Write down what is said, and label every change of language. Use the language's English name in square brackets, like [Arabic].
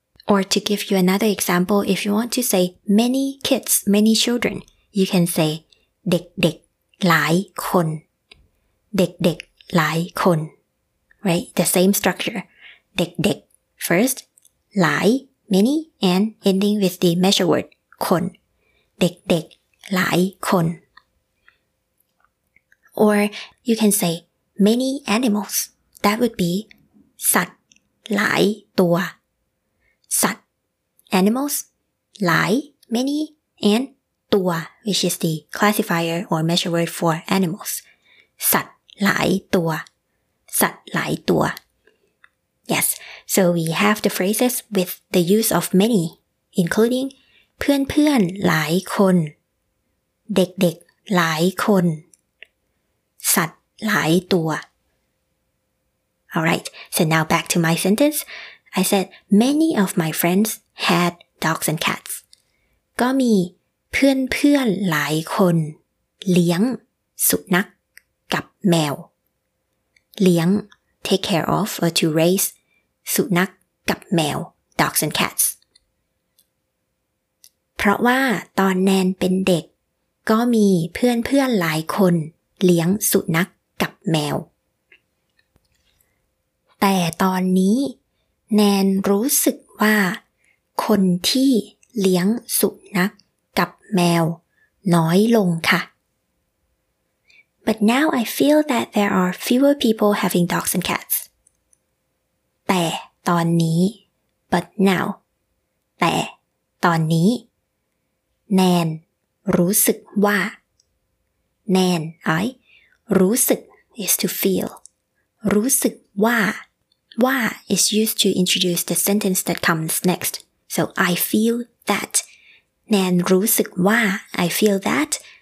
[English] or to give you another example if you want to say many kids many children you can say [Thai] เด็กหลายคนเด็กหลายคน [English] right the same structure เด็ก first หลาย many and ending with the measure word [Thai] คนเด็กหลายคน [English] Or you can say many animals. That would be [Thai] สัตว์หลายตัวสัตว์ [English] animals หลาย many and ตัว which is the classifier or measure word for animals [Thai] สัตว์หลายตัวสัตว์หลายตัว [English] Yes, so we have the phrases with the use of many including [Thai] เพื่อนหลายคนเด็กหลายคนสัตว์หลายตัว [English] Alright, so now back to my sentence. I said, many of my friends had dogs and cats. [Thai] ก็มีเพื่อนหลายคนเลี้ยงสุนัขกับแมวเลี้ยง [English] take care of or to raise [Thai] สุนัขกับแมว [English] dogs and cats. [Thai] เพราะว่าตอนแนนเป็นเด็กก็มีเพื่อนหลายคนเลี้ยงสุนัขกับแมว แต่ตอนนี้แนนรู้สึกว่าคนที่เลี้ยงสุนัขกับแมวน้อยลงค่ะ [English] But now I feel that there are fewer people having dogs and cats [Thai] แต่ตอนนี้ [English] But now [Thai] แต่ตอนนี้แนนรู้สึกว่า [English] Nan, I, [Thai] รู้สึก [English] is to feel. รู้สึก ว่า is used to introduce the sentence that comes next. So I feel that. Nan, รู้สึก ว่า I feel that.